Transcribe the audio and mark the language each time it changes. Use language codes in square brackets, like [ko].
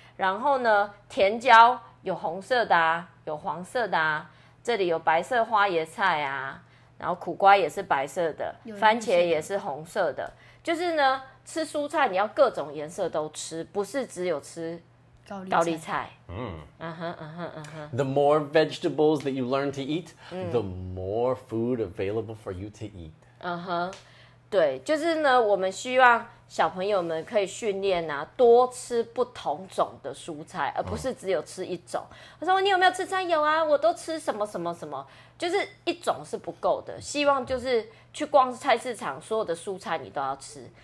[zh] 然后呢，甜椒有红色的啊，有黄色的啊，这里有白色花椰菜啊，然后苦瓜也是白色的，番茄也是红色的。就是呢，吃蔬菜你要各种颜色都吃，不是只有吃高丽菜。 [en] The more vegetables that you learn to eat, the more food available for you to eat. [zh] 对，就是呢，我们希望小朋友们可以训练啊，多吃不同种的蔬菜，而不是只有吃一种。他说你有没有吃菜？有啊，我都吃什么什么什么，就是一种是不够的。希望就是去逛菜市场，所有的蔬菜你都要吃。